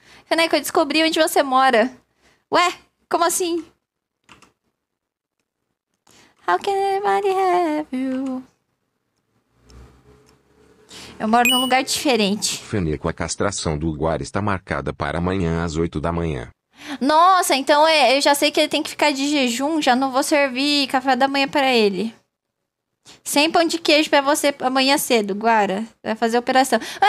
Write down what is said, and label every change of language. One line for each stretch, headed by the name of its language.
Portuguese: Feneca, eu descobri onde você mora. Ué, como assim?
English: How can anybody have you?
Portuguese: Eu moro num lugar diferente. Feneca, a castração do Guar está marcada para amanhã às 8 da manhã. Nossa, então eu já sei que ele tem que ficar de jejum. Já não vou servir café da manhã para ele. Sem pão de queijo pra você amanhã cedo, Guara. Vai fazer operação.